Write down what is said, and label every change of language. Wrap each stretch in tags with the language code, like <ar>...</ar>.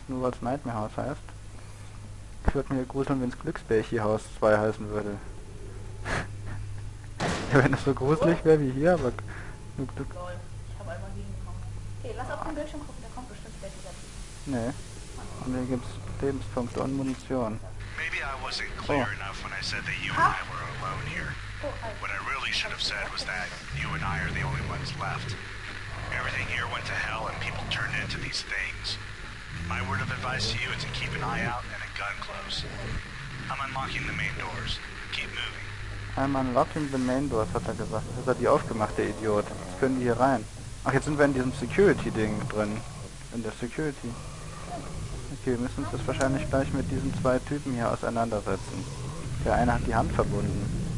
<de>Nur weil es Nightmare House heißt. Ich würde mir gruseln, wenn es Glücksbärchenhaus 2 heißen würde. Ja, wenn es so gruselig wäre wie hier, aber. Lol, ich habe einmal hingekommen. Okay, lass auf den Bildschirm gucken, der kommt bestimmt gleich wieder. Nee. Und hier gibt's Lebenspunkte und Munition.</de> <en>Maybe I wasn't clear enough when I said that you and I were alone here. What I really should have said was that you and I are the only ones left. Everything here went to hell and people turned into these things. My word of advice to you is to keep an eye out and a gun close. I'm unlocking the main doors. Keep moving. I'm unlocking the main doors,</en> <de>hat er gesagt. Das hat er die aufgemacht, der Idiot. Jetzt können wir hier rein. Ach, jetzt sind wir in diesem Security-Ding drin. In der Security. Okay, wir müssen uns das wahrscheinlich gleich mit diesen zwei Typen hier auseinandersetzen. Der eine hat die Hand verbunden.</de>